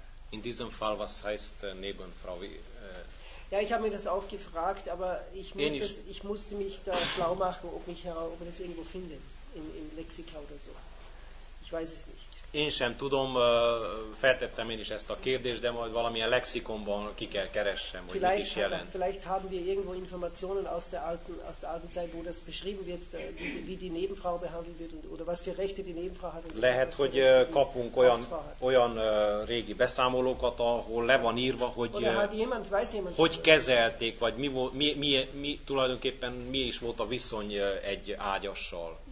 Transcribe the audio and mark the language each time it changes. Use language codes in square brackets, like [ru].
[de] In diesem Fall, was heißt Nebenfrau? Ja, ich habe mir das auch gefragt, aber ich musste mich da schlau machen, ob ich ob das irgendwo finde, in Lexika oder so. Ich weiß es nicht. [hu] Én sem tudom, feltettem én is ezt a kérdést, de majd valamilyen lexikonban ki kell keressem, hogy [de] vielleicht [hu] mit is jelent. [de] Vielleicht haben wir irgendwo Informationen aus der alten Zeit, wo das beschrieben wird, wie die Nebenfrau behandelt wird, oder was für Rechte die Nebenfrau hat. [hu] Lehet, hogy kapunk olyan régi beszámolókat, ahol le van írva, hogy hogy kezelték, vagy mi tulajdonképpen mi is volt a viszony egy ágyassal.